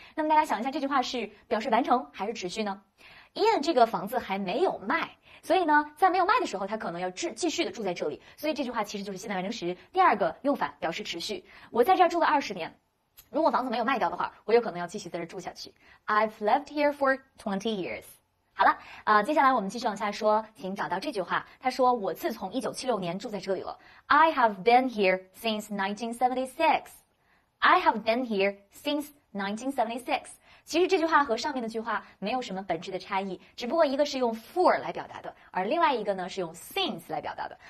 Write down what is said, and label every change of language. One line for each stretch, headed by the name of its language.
Chinese: 那么大家想一下，这句话是表示完成还是持续呢？Ian 这个房子还没有卖，所以呢在没有卖的时候他可能要继续的住在这里，所以这句话其实就是现在完成时第二个用法，表示持续。我在这儿住了20年，如果房子没有卖掉的话我有可能要继续在这儿住下去。
English: I've lived here for 20 years。
Chinese: 好了，接下来我们继续往下说，请找到这句话，他说我自从1976年住在这里了。
English: I have been here since 1976。 I have been here since 1976。
Chinese: 其实这句话和上面的句话没有什么本质的差异，只不过一个是用 for 来表达的，而另外一个呢是用 since 来表达的。